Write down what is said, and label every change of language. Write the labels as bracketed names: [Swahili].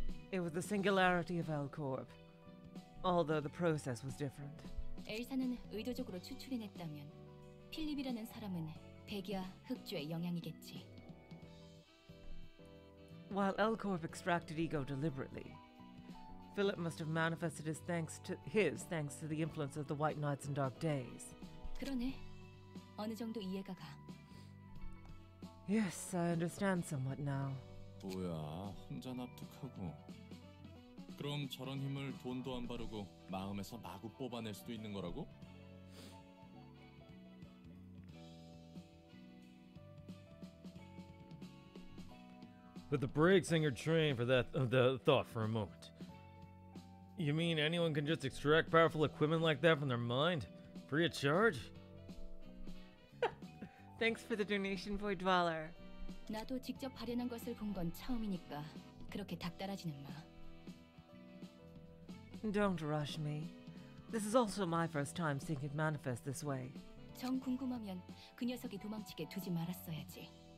[English] It was the singularity of L-Corp, although the process was different. [Korean] 엘사는 의도적으로 추출해냈다면 필립이라는 사람은 대기와 흑주의 영향이겠지. [English] While L-Corp extracted Ego deliberately, Philip must have manifested his thanks to the influence of the White Knights and Dark Days. [Korean] 그러네. 어느 정도 이해가 가. [English] Yes, I understand somewhat now. [Korean] 뭐야, 혼자 납득하고. 그럼 저런 힘을 돈도 안 바르고 마음에서 마구 뽑아낼 수도 있는 거라고? [English] Put the brakes in your train for that thought for a moment. You mean anyone can just extract powerful equipment like that from their mind? Free of charge? Thanks for the donation, Void Dweller. [Korean] 나도 직접 발현한 것을 본 건 처음이니까 그렇게 닥달아지는 마. [English] Don't rush me. This is also my first time seeing it manifest this way. [Korean] 정 궁금하면 그 녀석이 도망치게 두지 말았어야지.